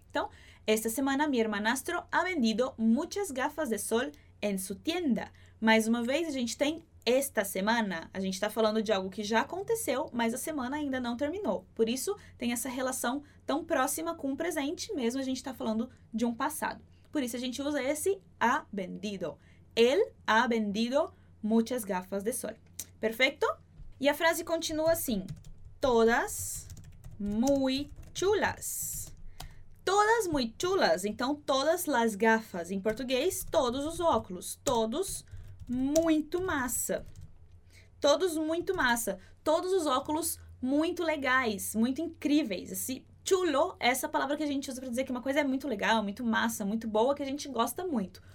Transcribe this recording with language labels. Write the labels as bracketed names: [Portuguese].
[Spanish] Então, esta semana, mi hermanastro ha vendido muchas gafas de sol en su tienda. [Portuguese] Mais uma vez, a gente tem esta semana. A gente está falando de algo que já aconteceu, mas a semana ainda não terminou. Por isso, tem essa relação tão próxima com o presente, mesmo a gente está falando de um passado. Por isso, a gente usa esse ha vendido. [Spanish] Él ha vendido muchas gafas de sol. Perfeito? [Portuguese] E a frase continua assim. [Spanish] Todas muy chulas. Todas muy chulas, então todas las gafas. [Portuguese] Em português, todos os óculos. Todos muito massa. Todos muito massa. Todos os óculos muito legais, muito incríveis. Esse chulo é essa palavra que a gente usa para dizer que uma coisa é muito legal, muito massa, muito boa, que a gente gosta muito.